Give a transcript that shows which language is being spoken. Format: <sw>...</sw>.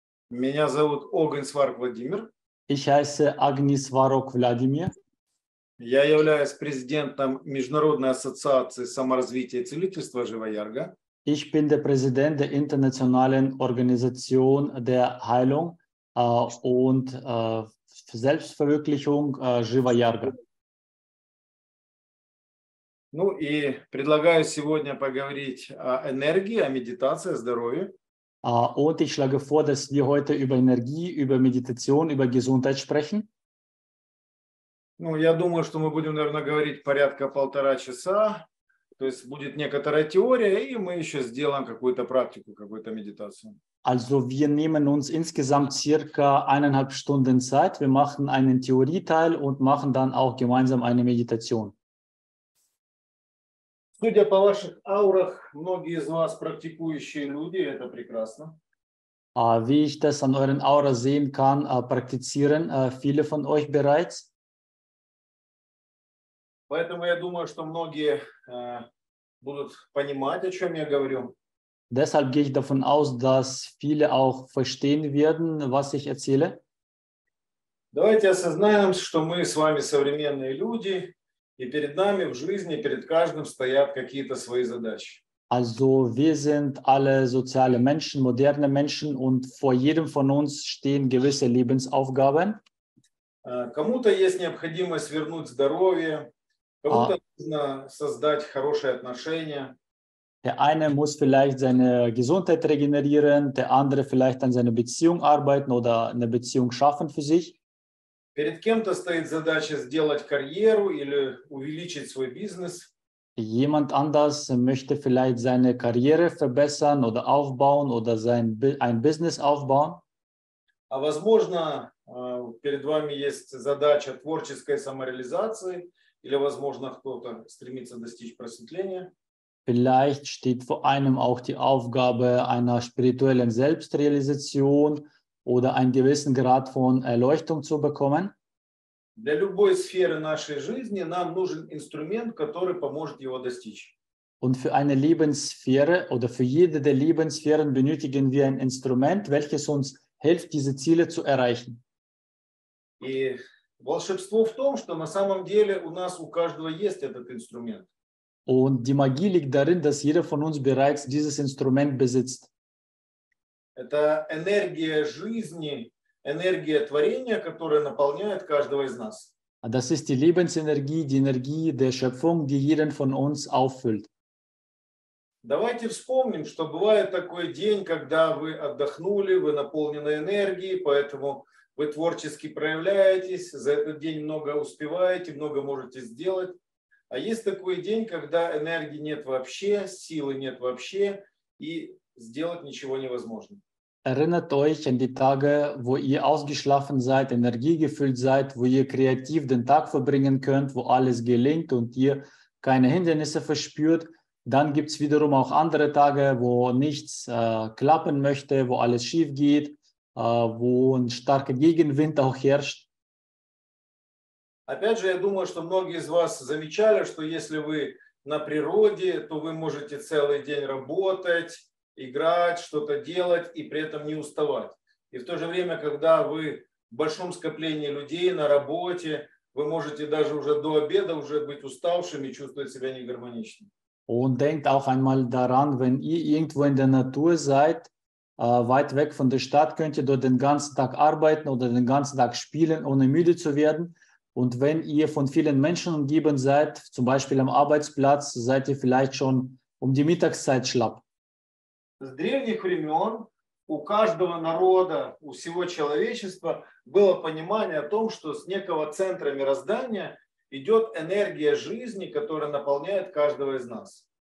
<ru>Меня зовут Огнисварок Владимир.</ru> <de>Ich heiße Agnieszwarok Wladimir.</de> <ru>Я являюсь президентом Международной ассоциации саморазвития и целительства Живоярга.</ru> <de>Ich bin der Präsident der internationalen Organisation der Heilung und Selbstverwirklichung Живоярга.</de> <ru>Ну и предлагаю сегодня поговорить о энергии, о медитации, о здоровье.</ru> <de>Und ich schlage vor, dass wir heute über Energie, über Meditation, über Gesundheit sprechen.</de> <ru>Ну, я думаю, что мы будем, наверное, говорить порядка полтора часа. То есть будет некоторая теория, и мы еще сделаем какую-то практику, какую-то медитацию.</ru> <de>Also wir nehmen uns insgesamt circa 1,5 Stunden Zeit. Wir machen einen Theorieteil und machen dann auch gemeinsam eine Meditation.</de> <ru>Судя по ваших аурах, многие из вас практикующие люди, это прекрасно.</ru> <de>Wie ich das an euren Aura sehen kann, praktizieren viele von euch bereits.</de> <ru>Поэтому я думаю, что многие будут понимать, о чем я говорю.</ru> <de>Deshalb gehe ich davon aus, dass viele auch verstehen werden, was ich erzähle.</de> <ru>Давайте осознаем, что мы с вами современные люди. И перед нами в жизни, перед каждым стоят какие-то свои задачи.</ru> <de>Also, wir sind alle soziale Menschen, moderne Menschen, und vor jedem von uns stehen gewisse Lebensaufgaben.</de> <ru>Кому-то есть необходимость вернуть здоровье, кому-то нужно создать хорошие отношения.</ru> <de>Der eine muss vielleicht seine Gesundheit regenerieren, der andere vielleicht an seiner Beziehung arbeiten oder eine Beziehung schaffen für sich.</de> <ru>Перед кем-то стоит задача сделать карьеру или увеличить свой бизнес.</ru> <de>Jemand anders möchte vielleicht seine Karriere verbessern oder aufbauen oder ein Business aufbauen.</de> <ru>А возможно, перед вами есть задача творческой самореализации или, возможно, кто-то стремится достичь просветления.</ru> <de>Vielleicht steht vor einem auch die Aufgabe einer spirituellen Selbstrealisation oder einen gewissen Grad von Erleuchtung zu bekommen.</de> <ru>Для любой сферы нашей жизни нам нужен инструмент, который поможет его достичь.</ru> <de>Und für eine Lebenssphäre oder für jede der Lebenssphären benötigen wir ein Instrument, welches uns hilft, diese Ziele zu erreichen.</de> <ru>И волшебство в том, что на самом деле у нас у каждого есть этот инструмент.</ru> <de>Und die Magie liegt darin, dass jeder von uns bereits dieses Instrument besitzt.</de> <ru>Это энергия жизни, энергия творения, которая наполняет каждого из нас.</ru> <de>Das ist die Lebensenergie, die Energie der Schöpfung, die jeden von uns auffüllt.</de> <ru>Давайте вспомним, что бывает такой день, когда вы отдохнули, вы наполнены энергией, поэтому вы творчески проявляетесь, за этот день много успеваете, много можете сделать. А есть такой день, когда энергии нет вообще, силы нет вообще, и сделать ничего невозможно.</ru> <de>Erinnert euch an die Tage, wo ihr ausgeschlafen seid, energiegefüllt seid, wo ihr kreativ den Tag verbringen könnt, wo alles gelingt und ihr keine Hindernisse verspürt. Dann gibt es wiederum auch andere Tage, wo nichts klappen möchte, wo alles schief geht, wo ein starker Gegenwind auch herrscht.</de> <ru>Опять же, я думаю, что многие из вас замечали, что если вы на природе, то вы можете целый день работать, играть, что-то делать и при этом не уставать. И в то же время, когда вы в большом скоплении людей на работе, вы можете даже уже до обеда уже быть уставшим и чувствовать себя негармоничным.</ru> <de>Und denkt auch einmal daran, wenn ihr irgendwo in der Natur seid, weit weg von der Stadt, könnt ihr dort den ganzen Tag arbeiten oder den ganzen Tag spielen, ohne müde zu werden. Und wenn ihr von vielen Menschen umgeben seid, zum Beispiel am Arbeitsplatz, seid ihr vielleicht schon um die Mittagszeit schlapp.</de> <ru>С древних времен у каждого народа, у всего человечества было понимание о том, что с некого центра мироздания идет энергия жизни, которая наполняет каждого из нас.</ru>